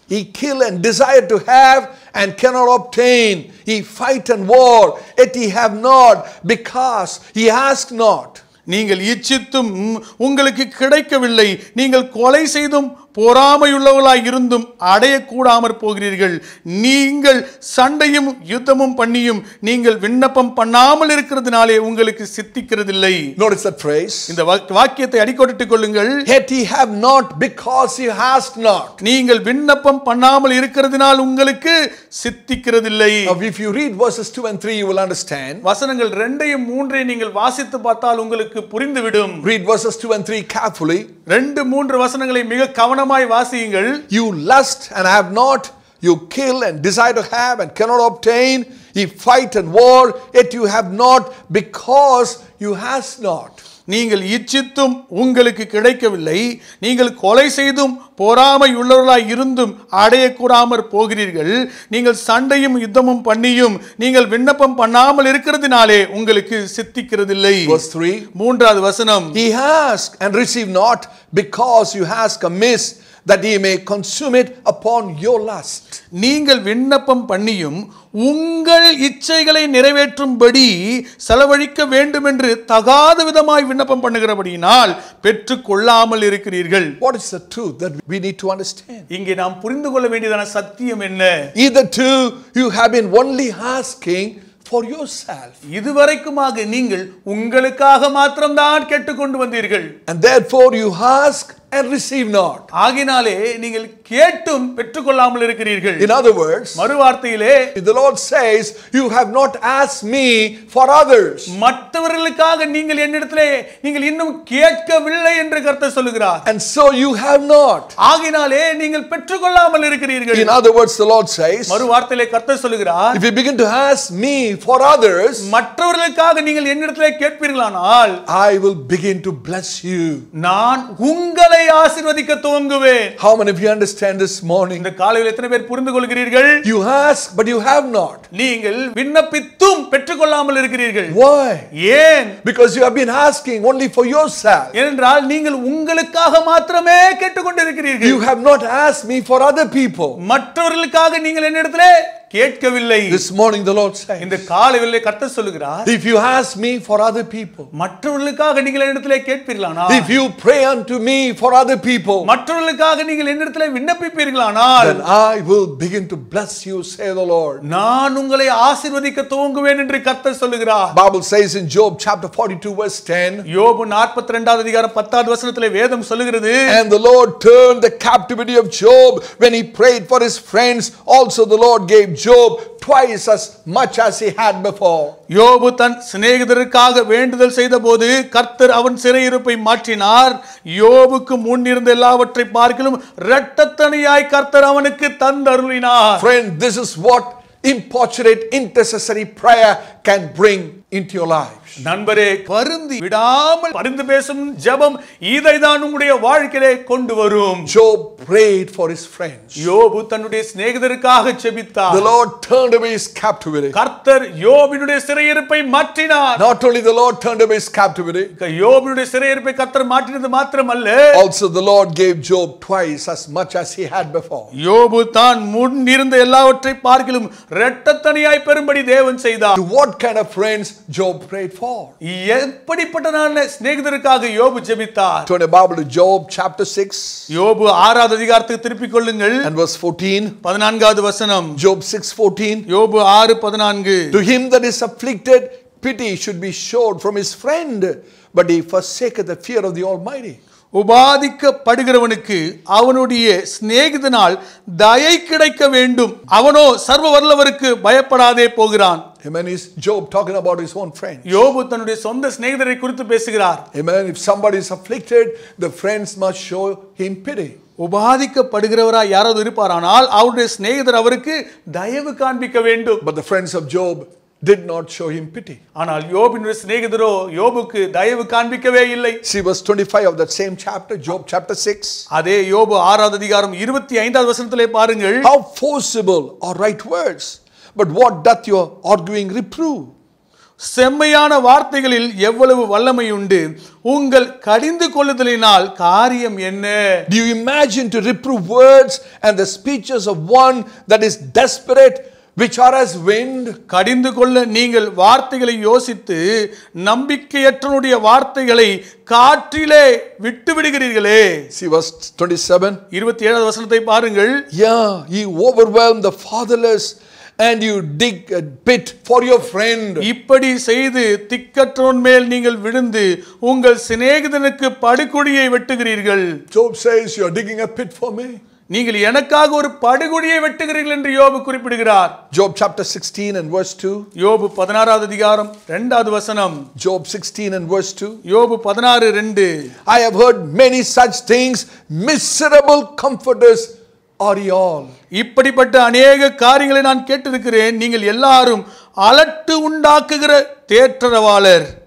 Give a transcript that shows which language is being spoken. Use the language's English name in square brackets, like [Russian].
[English] He kill and desire to have and cannot obtain. He fight and war, yet he have not because he ask not. [Tamil] நீங்கள் இச்சித்தும் உங்களுக்கு கிடைக்கவில்லை. நீங்கள் கொலை செய்தும் பொறாமையுள்ளவர்களாய் இருந்தும் அடைய கூடாமற் போகிறீர்கள். நீங்கள் சண்டையும் யுத்தமும் பண்ணியும் நீங்கள் விண்ணப்பம் பண்ணாமல் இருக்கிறதுனாலே உங்களுக்கு சித்திக்கிறதில்லை. [English] Notice that phrase. [Tamil] இந்த வாக்கியத்தை அடிக்கோட்டிட்டுக் கொள்ளுங்கள். [English] Yet he have not because he has not. [Tamil] நீங்கள் விண்ணப்பம் பண்ணாமல் இருக்கிறதுனால் உங்களுக்கு சித்திக்கிறதில்லை. [English] Now if you read verses 2 and 3 you will understand. [Tamil] வசனங்கள் 2யும் 3யும் நீங்கள் வாசித்து பார்த்தால் உங்களுக்கு புரிந்துவிடும். [English] Read verses 2 and 3 carefully. [Tamil] 2 3 வசனங்களை மிக கவனமாய் வாசியுங்கள். [English] You lust and have not, you kill and desire to have and cannot obtain, you fight and war, yet you have not because you has not. [Tamil] நீங்கள் இச்சித்தும் உங்களுக்கு கிடைக்கவில்லை. நீங்கள் கொலை செய்தும் பொறாமையுள்ளவர்களாய் இருந்தும் அடைய கூடாமற் போகிறீர்கள். நீங்கள் சண்டையும் யுத்தமும் பண்ணியும் நீங்கள் விண்ணப்பம் பண்ணாமல் இருக்கிறதுனாலே உங்களுக்கு சித்திக்கிறதில்லை. [English] Verse 3. [Tamil] மூன்றாவது வசனம். [English] He ask and receive not because you ask amiss that he may consume it upon your lust. [Tamil] நீங்கள் விண்ணப்பம் பண்ணியும் உங்கள் இச்சைகளை நிறைவேற்றும்படி செலவழிக்க வேண்டும் என்று தகாத விதமாய் விண்ணப்பம் பண்ணுகிறபடியால் பெற்றுக் கொள்ளாமல் இருக்கிறீர்கள். [English] What is the truth that we need to understand? [Tamil] இங்கே நாம் புரிந்து கொள்ள வேண்டியதான சத்தியம் என்ன? [English] Either two, you have been only asking for yourself. [Tamil] இதுவரைக்குமாக நீங்கள் உங்களுக்காக மட்டும் தான் கேட்டுக்கொண்டு வந்தீர்கள். [English] And therefore you ask and receive not. [Tamil] ஆகினாலே நீங்கள் கேட்டும் பெற்றுக்கொள்ளாமல் இருக்கிறீர்கள். [English] In other words, [Tamil] மறுவார்த்தையிலே [English] the Lord says you have not asked me for others. [Tamil] மற்றவர்களுக்காக நீங்கள் என்னிடத்திலே நீங்கள் இன்னும் கேட்கவில்லை என்று கர்த்தர் சொல்கிறார். [English] And so you have not. [Tamil] ஆகினாலே நீங்கள் பெற்றுக்கொள்ளாமல் இருக்கிறீர்கள். [English] In other words, the Lord says [Tamil] மறுவார்த்தையிலே கர்த்தர் சொல்கிறார். [English] If you begin to ask me for others, [Tamil] மற்றவர்களுக்காக நீங்கள் என்னிடத்திலே கேட்பீர்களானால் [English] I will begin to bless you. [Tamil] நான் உங்களை ஆசீர்வதிக்க துவங்குவேன். [English] How many of you understand this morning? [Tamil] இந்த காலையில் எத்தனை பேர் புரிந்துகொள்கிறீர்கள்? [English] You ask but you have not. [Tamil] நீங்கள் விண்ணப்பித்தும் பெற்றுக்கொள்ளாமல் இருக்கிறீர்கள். [English] Why? [Tamil] ஏன்? [English] Because you have been asking only for yourself. [Tamil] என்றால் நீங்கள் உங்களுக்காக மட்டுமே கேட்டுக்கொண்டிருக்கிறீர்கள். [English] You have not asked me for other people. [Tamil] மற்றவர்களுக்காக நீங்கள் என்னிடத்திலே கேட்கவில்லை. [English] This morning the Lord says. [Tamil] இந்த காலையிலே கர்த்தர் சொல்கிறார். [English] If you ask me for other people. [Tamil] மற்றவர்களுக்காக நீங்கள் என்னிடத்திலே கேட்பீர்களானால். [English] If you pray unto me for other people. [Tamil] மற்றவர்களுக்காக நீங்கள் என்னிடத்திலே விண்ணப்பிப்பீர்களானால். [English] Then I will begin to bless you, say the Lord. [Tamil] நான் உங்களை ஆசீர்வதிக்க துவங்குவேன் என்று கர்த்தர் சொல்கிறார். [English] Bible says in Job chapter 42 verse 10. [Tamil] யோபு 42வது அதிகாரம் 10வது வசனத்திலே வேதம் சொல்கிறது. [English] And the Lord turned the captivity of Job when he prayed for his friends. Also the Lord gave Job twice as much as he had before. [Tamil] யோபு தன் சிநேகிதருக்காக வேண்டுதல் செய்தபோது கர்த்தர் அவன் சிறையிருப்பை மாற்றினார். யோபுக்கு முன்னிருந்த எல்லாவற்றை பார்க்கிலும் இரட்டத்தனியாய் கர்த்தர் அவனுக்கு தந்தருளினார். [English] Friend, this is what importunate intercessory prayer can bring into your lives. [Tamil] நண்பரே, பரிந்து விடாமல் பரிந்து பேசும் ஜெபம் இதைதான் உங்களுடைய வாழ்க்கையிலே கொண்டு வரும். [English] Job prayed for his friends. [Tamil] யோபு தன்னுடைய சிநேகிதருக்காக ஜெபித்தார். [English] The Lord turned away his captivity. [Tamil] கர்த்தர் யோபினுடைய சிறையிருப்பை மாற்றினார். [English] Not only the Lord turned away his captivity. [Tamil] யோபினுடைய சிறையிருப்பை கர்த்தர் மாற்றினது மாத்திரமல்ல. [English] Also the Lord gave Job twice as much as he had before. [Tamil] யோபு தான் முன்னிருந்த எல்லாவற்றை பார்க்கிலும் இரட்டத்தனியாய் பெறும்படி தேவன் செய்தார். [English] What kind of friends Job prayed for? [Tamil] எப்படிப்பட்டதான சிநேகிதருக்காக யோபு ஜெபித்தார். [English] Turn your Bible to Job chapter 6. [Tamil] யோபு 6வது அதிகாரத்துக்கு திருப்பி கொள்ளுங்கள். [English] And verse 14. [Tamil] 14வது வசனம். [English] Job 6:14. [Tamil] யோபு 6:14. [English] To him that is afflicted, pity should be showed from his friend, but he forsaketh the fear of the Almighty. [Tamil] உபாதிக்கப்படுகிறவனுக்கு அவனுடைய சிநேகிதனால் தயை கிடைக்க வேண்டும். அவனோ சர்வ வல்லவருக்கு பயப்படாதே போகிறான். [English] Amen. Is Job talking about his own friends? [Tamil] யோபு தன்னுடைய சொந்த சிநேகிதரை குறித்து பேசுகிறார். [English] Amen. If somebody is afflicted, the friends must show him pity. [Tamil] உபாதிக்கப்படுகிறவரா யாராவது இருப்பாரானால் அவருடைய சிநேகிதர் அவருக்கு தயவு காண்பிக்க வேண்டும். [English] But the friends of Job did not show him pity. [Tamil] ஆனால் யோபின் சிநேகிதரோ யோபுக்கு தயவு காண்பிக்கவே இல்லை. [English] See verse 25 of that same chapter, Job chapter 6. [Tamil] அதே யோபு 6வது அதிகாரம் 25வது வசனத்திலே பாருங்கள். [English] How forcible are right words, but what doth your arguing reprove? [Tamil] செம்மையான வார்த்தைகளில் எவ்வளவு வல்லமை உண்டு உங்கள் கடிந்து கொள்ளுதலினால் காரியம் என்ன [English] Do you imagine to reprove words and the speeches of one that is desperate which are as wind [Tamil] கடிந்து கொள்ள நீங்கள் வார்த்தைகளை யோசித்து நம்பிக்கையற்றனுடைய வார்த்தைகளை காற்றிலே விட்டு விடுகிறீர்களே [English] See verse 27 [Tamil] 27வது வசனத்தை பாருங்கள் [English] Yeah you overwhelm the fatherless and you dig a pit for your friend [Tamil] இப்படி செய்து திக்கற்றவன் மேல் நீங்கள் விழுந்து உங்கள் சிநேகிதனுக்கு படுகுழியை வெட்டுகிறீர்கள் [English] Job says you are digging a pit for me [Tamil] நீங்கள் எனக்காக ஒரு படுகுழியை வெட்டுகிறீர்கள் என்று யோபு குறிப்பிடுகிறார் [English] Job chapter 16 and verse 2 [Tamil] யோபு 16வது அதிகாரம் 2வது வசனம் [English] Job 16 and verse 2 [Tamil] யோபு 16:2 [English] I have heard many such things miserable comforters are you all [Tamil] இப்படிப்பட்ட अनेक காரியங்களை நான் கேட்டிருக்கிறேன் நீங்கள் எல்லாரும் அலட்டு உண்டாக்குகிற தேற்றரவாளர்